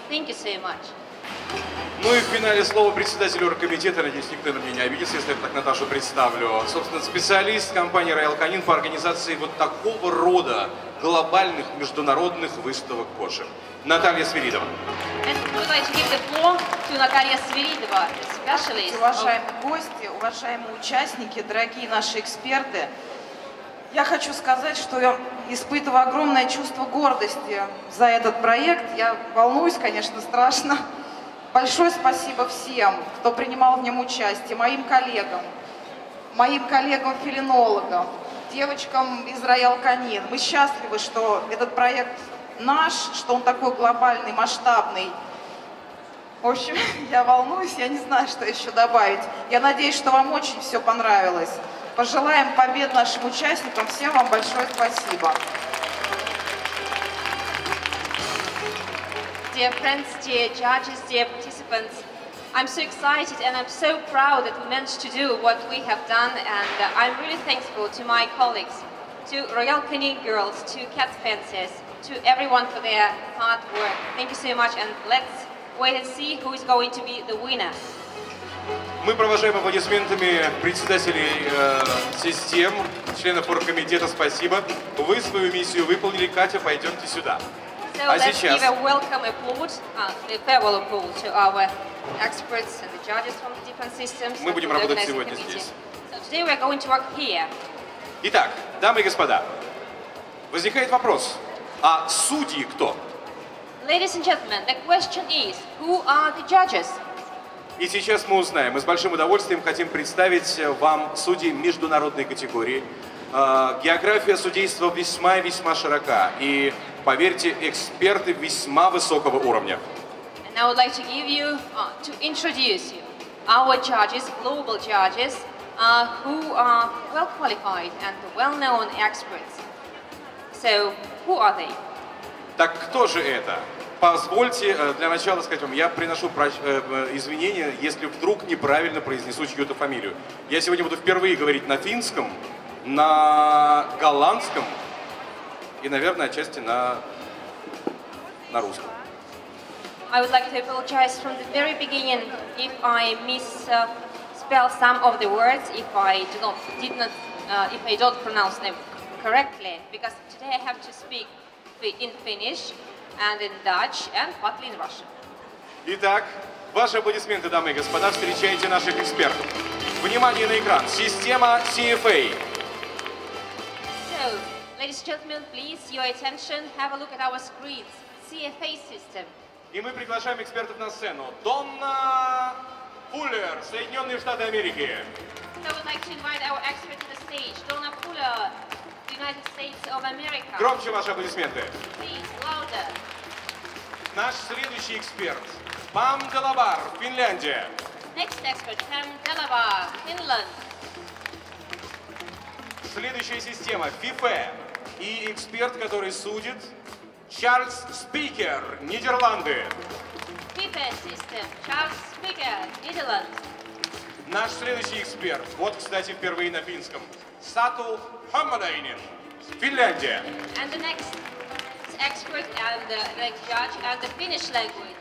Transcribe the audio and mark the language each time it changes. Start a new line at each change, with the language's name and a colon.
English: Thank you so much.
Russian: Ну и в финале слово председателю оргкомитета. Надеюсь, никто на меня не обидится, если я так Наташу представлю. Собственно, специалист компании Роял Канин по организации вот такого рода глобальных международных выставок кошек. Наталья Свиридова.
English: And we would like to give the floor to Наталья Свиридова, specialist.
Russian: Уважаемые гости, уважаемые участники, дорогие наши эксперты, я хочу сказать, что я испытываю огромное чувство гордости за этот проект. Я волнуюсь, конечно, страшно. Большое спасибо всем, кто принимал в нем участие, моим коллегам-филинологам, девочкам из Роял Канин. Мы счастливы, что этот проект наш, что он такой глобальный, масштабный. В общем, я волнуюсь, я не знаю, что еще добавить. Я надеюсь, что вам очень все понравилось. Пожелаем побед нашим участникам. Всем вам большое спасибо.
English: Dear friends, dear judges, dear participants, I'm so excited and I'm so proud that we managed to do what we have done, and I'm really thankful to my colleagues, to Роял Канин girls, to Cat Fences, to everyone for their hard work. Thank you so much, and let's wait and see who is going to be the winner.
Russian: Мы провожаем аплодисментами председателей систем, членов оргкомитета, спасибо. Вы свою миссию выполнили, Катя, пойдемте сюда.
English: So let's give a welcome applause, a farewell applause to our experts and the judges from the different systems.
Russian: Мы будем работать сегодня здесь.
English: So today we are going to work here.
Russian: Итак, дамы и господа, возникает вопрос, а судьи кто?
English: Ladies and gentlemen, the question is, who are the judges?
Russian: И сейчас мы узнаем. Мы с большим удовольствием хотим представить вам судей международной категории. География судейства весьма и весьма широка. И, поверьте, эксперты весьма высокого уровня.
English: And I would like to give you, to introduce you, our judges, global judges, who are well-qualified and well-known experts. So, who are they?
Russian: Так кто же это? Позвольте для начала сказать вам, я приношу извинения, если вдруг неправильно произнесу чью-то фамилию. Я сегодня буду впервые говорить на финском, на голландском и, наверное, отчасти на русском.
English: I would like to apologize from the very beginning if I misspell some of the words, if I don't pronounce them correctly, because today I have to speak in Finnish. and in Dutch, and partly in Russian.
Russian: Итак, ваши аплодисменты, дамы и господа, встречайте наших экспертов. Внимание на экран. Система CFA.
English: So, ladies and gentlemen, please, your attention. Have a look at our screens. CFA system.
Russian: И мы приглашаем экспертов на сцену. Донна Фуллер, Соединенные Штаты Америки.
English: So we'd like to invite our expert to the stage. Донна Фуллер, United States of America.
Russian: Громче ваши аплодисменты.
English: Please, louder.
Russian: Наш следующий эксперт. Пам Делавар, Финляндия.
English: Next expert, Pam Delavar, Finland.
Russian: Следующая система, FIFA. И эксперт, который судит, Чарльз Спикер, Нидерланды.
English: FIFA system, Чарльз Спикер, Нидерланды.
Russian: Наш следующий эксперт, вот, кстати, впервые на финском, Сату Хаммадайнин, Финляндия.
English: And the next expert and the judge and the Finnish language.